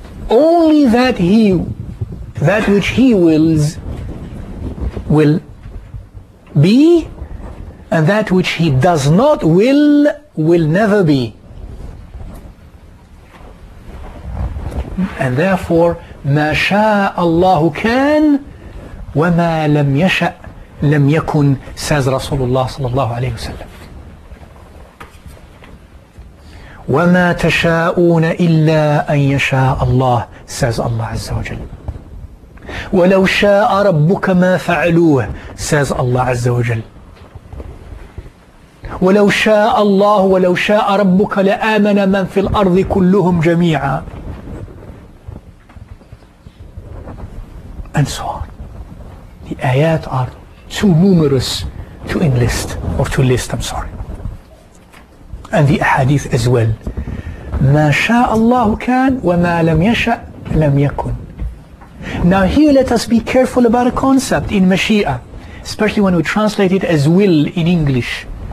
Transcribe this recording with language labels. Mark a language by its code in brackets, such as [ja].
[en] Only that which He wills will be, and that which He does not will never be. And therefore, [ar] مَا شَاءَ اللَّهُ كَانْ وَمَا لَمْ يَشَأْ لَمْ يَكُنْ, [en] says Rasulullah [ar] صلى الله عليه وسلم. وَمَا تَشَاءُونَ إِلَّا أَنْ يَشَاءَ اللَّهُ, [en] says Allah [ar] عز وجل. وَلَوْ شَاءَ رَبُّكَ مَا فَعَلُوهُ, [en] says Allah [ar] عز وجل. وَلَوْ شَاءَ اللَّهُ وَلَوْ شَاءَ رَبُّكَ لَآمَنَ مَنْ فِي الْأَرْضِ كُلُّهُمْ جَمِيعًا, [en] and so on. The ayat are too numerous to enlist, or to list, I'm sorry. And the ahadith as well. [ar] مَا شَاءَ اللَّهُ كَانْ وَمَا لَمْ يَشَأْ لَمْ يَكُنْ. [en] Now here let us be careful about a concept in Mashi'ah, especially when we translate it as will in English.